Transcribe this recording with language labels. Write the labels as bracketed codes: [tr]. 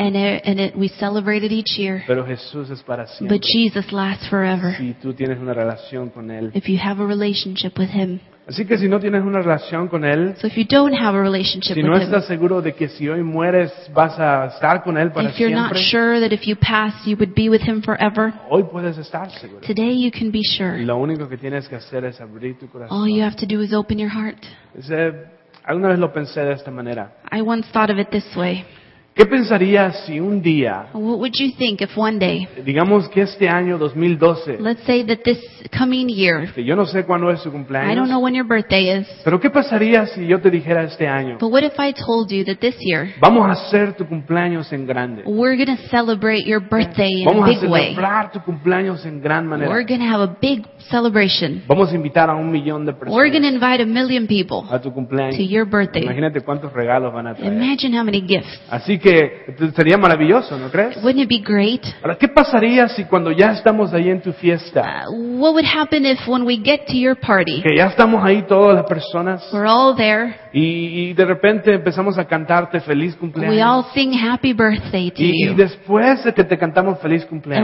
[en] And we celebrate it each year. [es] Pero Jesús es para siempre. [en] But Jesus lasts forever. [es] Si tú tienes una relación con él. [en] If you have a relationship with him. [es] Así que si no tienes una relación con él, [en] so if you don't have a relationship [es] si no estás seguro de que si hoy mueres vas a estar con él para [en] if you're [es] siempre, [en] not sure that if you pass you would be with him forever, [es] hoy puedes estar seguro. [en] Today you can be sure. [es] Lo único que tienes que hacer es abrir tu corazón. [en] All you have to do is open your heart. [es] Alguna vez lo pensé de esta manera. [en] I once thought of it this way. [es] ¿Qué pensarías si un día, [en] what would you think if one day, [es] digamos que este año 2012, [en] let's say that this coming year, [es] yo no sé cuándo es su cumpleaños, [en] I don't know when your birthday is, [es] pero ¿qué pasaría si yo te dijera este año, [en] but what if I told you that this year, [es] vamos a hacer tu cumpleaños en grande, [en] we're going to celebrate your birthday in [es] vamos [en] a big way, [es] celebrar tu cumpleaños en gran manera, [en] we're going to have a big celebration, [es] vamos a invitar a un millón de personas, [en] we're going to invite a million people, [es] a tu cumpleaños, [en] to your birthday, [es] imagínate cuántos regalos van a traer, [en] imagine how many gifts, [es] así que sería maravilloso, ¿no crees? [en] Wouldn't it be great? [es] Ahora, ¿qué pasaría si cuando ya estamos ahí en tu fiesta? [en] What would happen if when we get to your party? [es] Que ya estamos ahí todas las personas. [en] We're all there. [es] Y de repente empezamos a cantarte feliz cumpleaños. [en] We all sing happy birthday to you. [es] Y después de que te cantamos feliz cumpleaños.